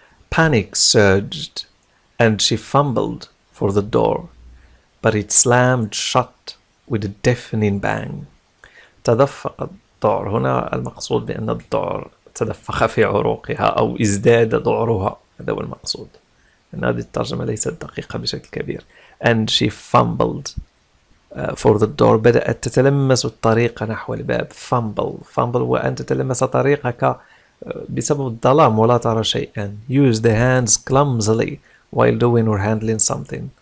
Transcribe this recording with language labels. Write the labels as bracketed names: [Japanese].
[English] Panic surged and she fumbled for the door, but it slammed shut with a deafening bang. [Arabic] تدفق الذعر. هنا المقصود بأن الذعر تدفق في عروقها أو ازداد ذعرها. هذا هو المقصود. إن هذه الترجمة ليست دقيقة بشكل كبير. [English] And she fumbled for the door. [Arabic] بدأت تتلمس الطريق نحو الباب. [English] Fumble. [Arabic] Fumble هو أن تتلمس طريقك بسبب الظلام ولا ترى شيئا. [English] Use the hands clumsily while doing or handling something.